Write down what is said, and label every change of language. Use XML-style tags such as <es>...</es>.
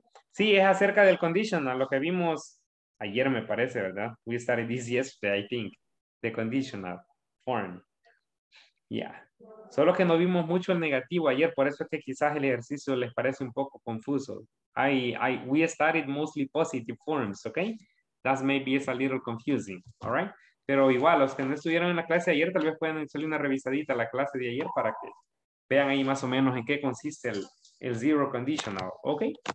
<es>Sí, es acerca del conditional, lo que vimos ayer me parece, ¿verdad?</es> <en>We started this yesterday, I think. The conditional form. Yeah.</en> <es>Solo que no vimos mucho el negativo ayer, por eso es que quizás el ejercicio les parece un poco confuso.</es> <en>We studied mostly positive forms, okay? That maybe is a little confusing, all right?</en> <es>Pero igual, los que no estuvieron en la clase ayer, tal vez puedan hacerle una revisadita a la clase de ayer para que vean ahí más o menos en qué consiste el zero conditional, okay?</es>